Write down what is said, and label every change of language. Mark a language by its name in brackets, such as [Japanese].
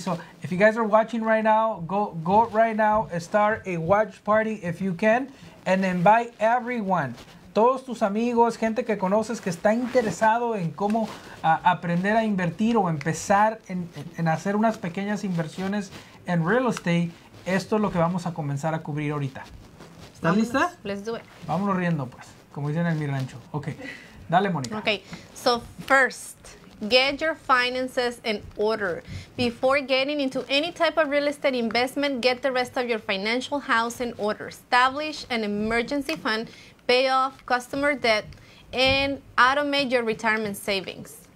[English] So if you guys are watching right now, go right now, start a watch party if you can, and invite everyone. [Spanish] Todos tus amigos, gente que conoces que está interesado en cómo aprender a invertir o empezar en hacer unas pequeñas inversiones en real estate, esto es lo que vamos a comenzar a cubrir ahorita. ¿Estás Vámonos, lista? [English] Let's do it. [Spanish] Vámonos riendo, pues, como dicen en mi rancho. Ok, dale, Mónica. [English] Ok, so first, get your finances in order. Before getting into any type of real estate investment, get the rest of your financial house in order. Establish an emergency fund, pay off customer debt, and automate your retirement savings.